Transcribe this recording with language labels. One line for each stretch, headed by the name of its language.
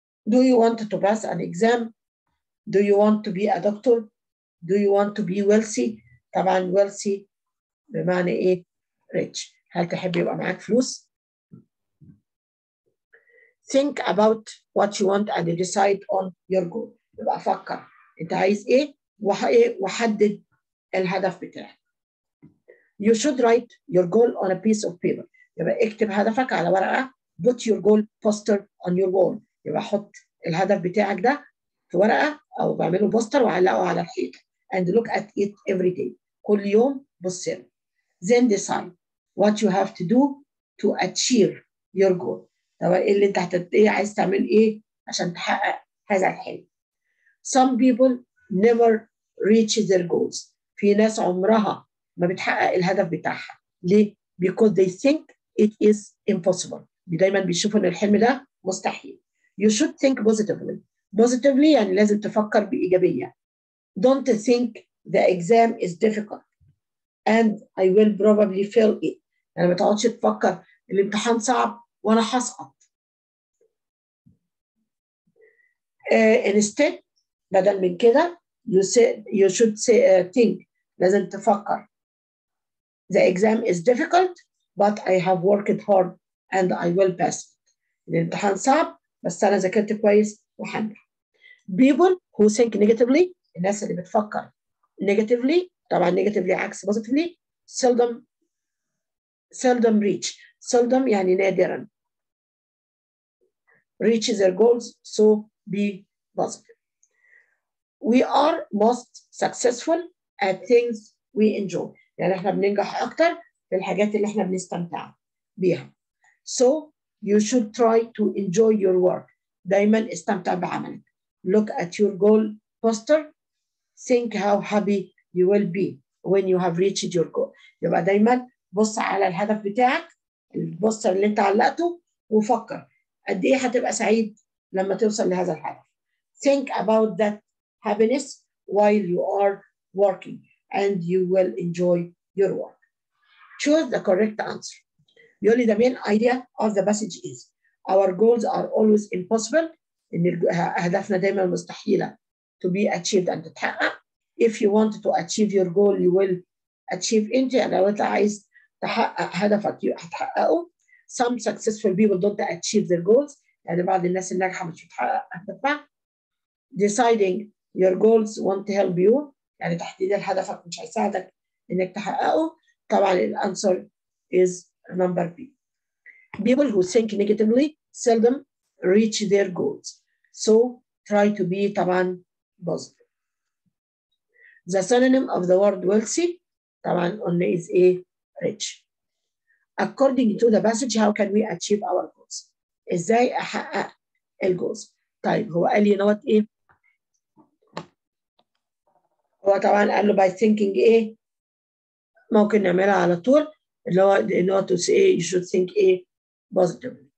English: Do you want to pass an exam؟ Do you want to be a doctor؟ Do you want to be wealthy؟
Arabic: طبعا wealthy بمعنى ايه rich، هل تحب يبقى معاك فلوس؟
English: Think about what you want and decide on your goal.
Arabic: يبقى فكر انت عايز ايه وحدد الهدف بتاعك.
English: You should write your goal on a piece of paper.
Arabic: يبقى اكتب هدفك على ورقة.
English: Put your goal poster on your wall.
Arabic: يبقى حط الهدف بتاعك ده في ورقة أو بعمله بوستر وعلقه على الحيط.
English: And look at it every day.
Arabic: كل يوم بص له.
English: Then decide what you have to do to achieve your goal.
Arabic: طب ايه اللي انت ايه عايز تعمل ايه عشان تحقق هذا الحلم.
English: Some people never reach their goals.
Arabic: في ناس عمرها ما بتحقق الهدف بتاعها.
English: ليه؟ Because they think it is impossible.
Arabic: دايما بيشوفوا ان الحلم ده مستحيل.
English: You should think positively.
Arabic: Positively يعني لازم تفكر بإيجابية.
English: Don't think the exam is difficult and I will probably fail it.
Arabic: يعني ما تقعدش تفكر الامتحان صعب وأنا هسقط.
English: Instead
Arabic: بدل من كده
English: you say, you should say, think
Arabic: لازم تفكر
English: the exam is difficult but I have worked hard and I will pass it.
Arabic: الامتحان صعب بس أنا ذاكرت كويس وحنح.
English: People who think negatively،
Arabic: الناس اللي بتفكر
English: negatively، طبعا negatively عكس positively، seldom reach.
Arabic: Seldom يعني نادرا.
English: Reach their goals, so be positive. We are most successful at things we enjoy.
Arabic: يعني احنا بننجح أكتر في الحاجات اللي احنا بنستمتع بيها.
English: So you should try to enjoy your work.
Arabic: دايما استمتع بعملك.
English: Look at your goal poster. Think how happy you will be when you have reached your goal.
Arabic: يبقى دايما بص على الهدف بتاعك البوستر اللي انت علقته وفكر قد ايه هتبقى سعيد لما توصل لهذا الهدف.
English: Think about that happiness while you are working and you will enjoy your work. Choose the correct answer. يقولي the main idea of the passage is our goals are always impossible.
Arabic: إن أهدافنا دائما مستحيلة
English: to be achieved
Arabic: and تتحقق.
English: If you want to achieve your goal you will achieve it.
Arabic: يعني لو أنت عايز تحقق هدفك هتحققه.
English: Some successful people don't achieve their goals.
Arabic: يعني بعض الناس الناجحة مش بتحقق هدفها.
English: Deciding your goals won't help you.
Arabic: يعني تحديد هدفك مش هيساعدك إنك تحققه. طبعا الانسر
English: is number B. People who think negatively seldom reach their goals. So try to be طبعا positive. The synonym of the word wealthy طبعا only is a rich. According to the passage, how can we achieve our goals?
Arabic: إزاي أحقق الجولز؟ طيب هو قال
English: you know what
Arabic: إيه؟ هو طبعا قال له
English: by thinking
Arabic: إيه؟ ممكن نعملها على طول اللي هو
English: to say you should think
Arabic: إيه؟ positive.